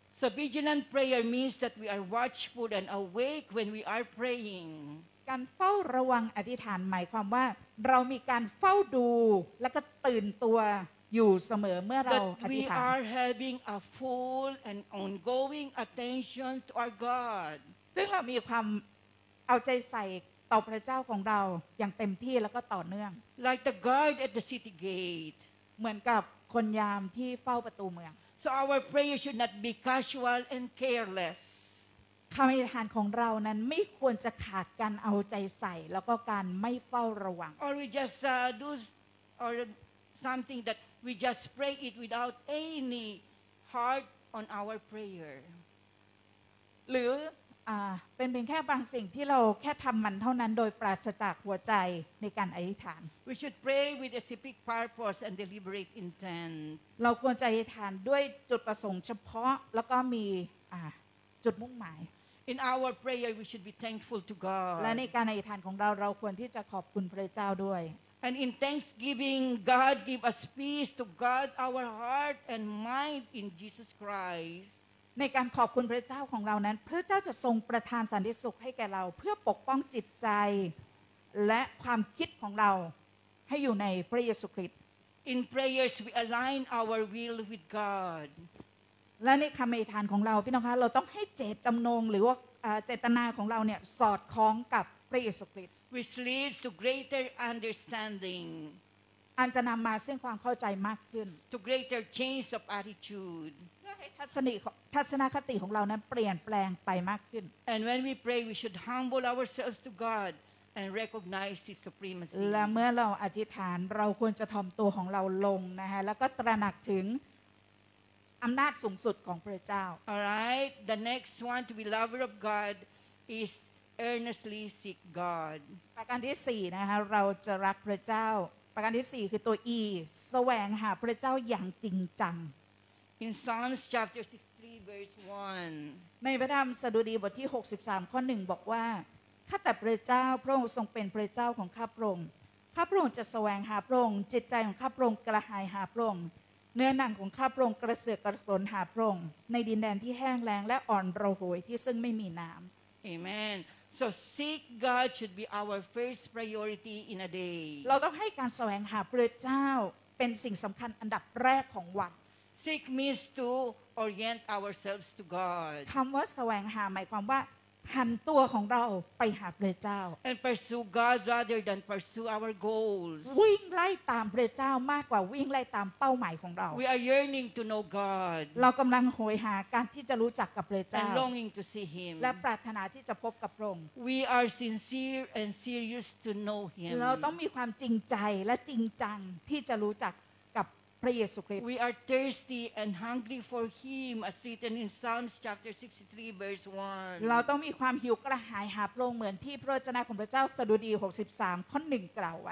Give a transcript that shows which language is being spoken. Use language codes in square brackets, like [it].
[en] So vigilant prayer means that we are watchful and awake when we are praying [th] การเฝ้าระวังอธิษฐานหมายความว่าเรามีการเฝ้าดูและก็ตื่นตัวอยู่เสมอเมื่อเราอธิษฐาน [en] we are having a full and ongoing attention to our God [th] ซึ่งเรามีความเอาใจใส่ต่อพระเจ้าของเราอย่างเต็มที่แล้วก็ต่อเนื่อง [en] Like the guard at the city gate [th] เหมือนกับคนยามที่เฝ้าประตูเมือง [en] So our prayer should not be casual and careless [th] คำอธิษฐานของเรานั้นไม่ควรจะขาดการเอาใจใส่แล้วก็การไม่เฝ้าระวัง [en] Or we just do or something that we just pray it without any heart on our prayer [th] หรือเป็นแค่บางสิ่งที่เราแค่ทำมันเท่านั้นโดยปราศจากหัวใจในการอธิษฐาน [en] We should pray with a specific purpose and deliberate intent [th] เราควรจะอธิษฐานด้วยจุดประสงค์เฉพาะแล้วก็มีจุดมุ่งหมาย [en] In our prayer we should be thankful to God [th] และในการอธิษฐานของเราเราควรที่จะขอบคุณพระเจ้าด้วย [en] And in thanksgiving God give us peace to guard our heart and mind in Jesus Christ. [th] ในการขอบคุณพระเจ้าของเรานั้นพระเจ้าจะทรงประทานสันติสุขให้แก่เราเพื่อปกป้องจิตใจและความคิดของเราให้อยู่ในพระเยซูคริสต์ [en] In prayers we align our will with God [th] และในคำอธิษฐานของเราพี่น้องคะเราต้องให้เจตจำนงหรือว่าเจตนาของเราเนี่ยสอดคล้องกับพระเยซูคริสต์ [en] Which leads to greater understanding [th] อันจะนำมาซึ่งความเข้าใจมากขึ้น [en] To greater change of attitude [th] ทัศนคติของเรานั้นเปลี่ยนแปลงไปมากขึ้น [en] And when we pray we should humble ourselves to God and recognize his supremacy [th] และเมื่อเราอธิษฐานเราควรจะถ่อมตัวของเราลงนะฮะแล้วก็ตระหนักถึงอำนาจสูงสุดของพระเจ้า [en] All right the next one to be lover of God is earnestly seek God [th] ประการที่4นะฮะเราจะรักพระเจ้าประการที่4คือตัว E แสวงหาพระเจ้าอย่างจริงจัง [en] In Psalms chapter 63 verse 1 [th] ในพระธรรมสดุดีบทที่63ข้อ1บอกว่าข้าแต่พระเจ้าพระองค์ทรงเป็นพระเจ้าของข้าพระองค์ข้าพระองค์จะแสวงหาพระองค์จิตใจของข้าพระองค์กระหายหาพระองค์เนื้อหนังของข้าพระองค์กระเสือกกระสนหาพระองค์ในดินแดนที่แห้งแล้งและอ่อนระหวยที่ซึ่งไม่มีน้ำ [en] Amen So seek God should be our first priority in a day [th] เราต้องให้การแสวงหาพระเจ้าเป็นสิ่งสำคัญอันดับแรกของวัน [en] Seek means to orient ourselves to God. [th] คำว่าแสวงหาหมายความว่าหันตัวของเราไปหาพระเจ้า [en] And pursue God rather than pursue our goals. [th] วิ่งไล่ตามพระเจ้ามากกว่าวิ่งไล่ตามเป้าหมายของเรา [en] We are yearning to know God. [th] เรากำลังโหยหาการที่จะรู้จักกับพระเจ้า [en] And longing to see Him. [th] และปรารถนาที่จะพบกับพระองค์ [en] We are sincere and serious to know Him. [th] เราต้องมีความจริงใจและจริงจังที่จะรู้จัก [en] We are thirsty and hungry for Him, as written in Psalms chapter 63, verse 1. [th] เราต้องมีความหิวกระหายหาพระองค์เหมือนที่พระวจนะของพระเจ้าสดุดี63ข้อ1กล่าวไว